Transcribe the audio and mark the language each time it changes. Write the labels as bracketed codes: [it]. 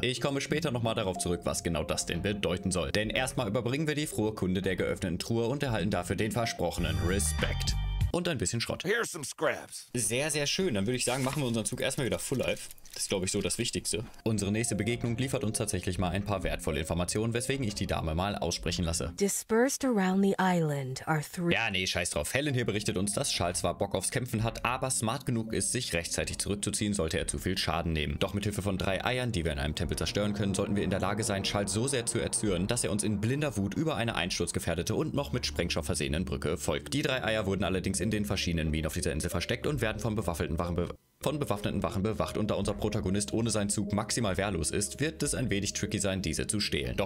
[de] Ich komme später nochmal darauf zurück, was genau das denn bedeuten soll. Denn erstmal überbringen wir die frohe Kunde der geöffneten Truhe und erhalten dafür den versprochenen Respekt. Und ein bisschen Schrott. [en] Here's some scraps. [de] Sehr, sehr schön. Dann würde ich sagen, machen wir unseren Zug erstmal wieder full life. Das ist, glaube ich, so das Wichtigste. Unsere nächste Begegnung liefert uns tatsächlich mal ein paar wertvolle Informationen, weswegen ich die Dame mal aussprechen lasse. [en] Dispersed around the island are three. [de] Ja, nee, scheiß drauf. Helen hier berichtet uns, dass Charles zwar Bock aufs Kämpfen hat, aber smart genug ist, sich rechtzeitig zurückzuziehen, sollte er zu viel Schaden nehmen. Doch mit Hilfe von drei Eiern, die wir in einem Tempel zerstören können, sollten wir in der Lage sein, Charles so sehr zu erzürnen, dass er uns in blinder Wut über eine einsturzgefährdete und noch mit Sprengstoff versehenen Brücke folgt. Die drei Eier wurden allerdings in den verschiedenen Minen auf dieser Insel versteckt und werden von bewaffneten Wachen bewacht und da unser Protagonist ohne seinen Zug maximal wehrlos ist, wird es ein wenig tricky sein, diese zu stehlen.